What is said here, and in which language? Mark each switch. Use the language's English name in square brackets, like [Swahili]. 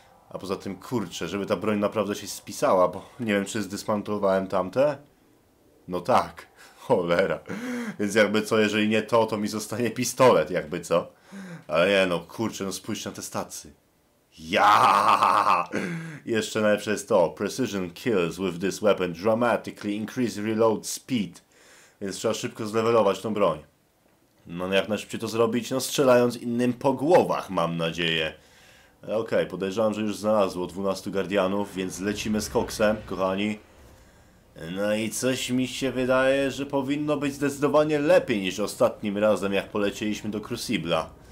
[Polish] A poza tym, kurczę, żeby ta broń naprawdę się spisała, bo nie wiem, czy zdysmantowałem tamte? No tak. Cholera. Więc jakby co, jeżeli nie to, to mi zostanie pistolet, jakby co. Ale nie no, kurczę, no spójrz na te stacy. Ja! Jeszcze najlepsze jest to. [English] Precision kills with this weapon dramatically increase reload speed. [Polish] Więc trzeba szybko zlevelować tą broń. No jak najszybciej to zrobić? No strzelając innym po głowach, mam nadzieję. Okej, okay, podejrzewam, że już znalazło 12 gardianów, więc lecimy z koksem, kochani. No i coś mi się wydaje, że powinno być zdecydowanie lepiej niż ostatnim razem, jak polecieliśmy do Crucible'a.